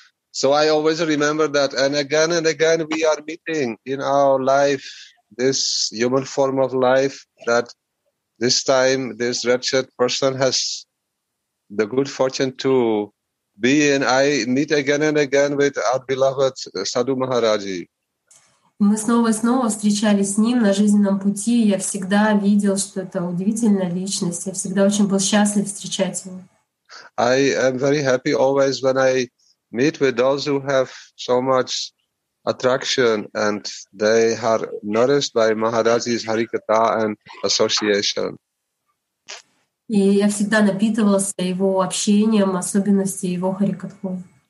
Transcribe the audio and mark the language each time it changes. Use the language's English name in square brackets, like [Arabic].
[English] So I always remember that, and again we are meeting in our life, this human form of life, that this time this wretched person has the good fortune to be, and I meet again and again with our beloved Sadhu Maharaji. [Russian] Мы снова и снова встречались с ним на жизненном пути. Я всегда видел, что это удивительная личность. Я всегда очень был счастлив встречать его. [English] I am very happy always when I meet with those who have so much attraction and they are nourished by Maharaji's Harikata and association. [Russian] И я всегда напитывался его общением, особенностью его Харикатхой.